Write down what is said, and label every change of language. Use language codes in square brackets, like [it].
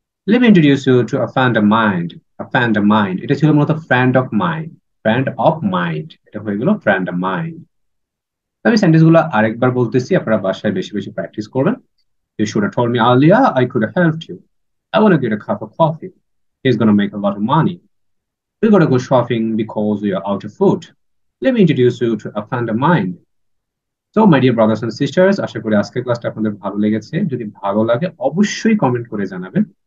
[en] let me introduce you to a friend of mind, a friend of mind, [bn] এটা ছিল মূলত [en] friend of mind, friend of mind, [bn] এটা হয়ে গেল [en] Friend of mind. [bn] আমি sentence গুলো আরেকবার বলতেছি, আপনারা বাসায় বেশি বেশি প্র্যাকটিস করবেন। [en] You should have told me earlier, I could have helped you. I want to get a cup of coffee. He's going to make a lot of money. We're going to go shopping because we are out of food. Let me introduce you to a friend of mine. So, my dear brothers and sisters, [bn] আশা করি আজকের ক্লাসটা আপনাদের ভালো লেগেছে। যদি ভালো লাগে অবশ্যই কমেন্ট করে জানাবেন।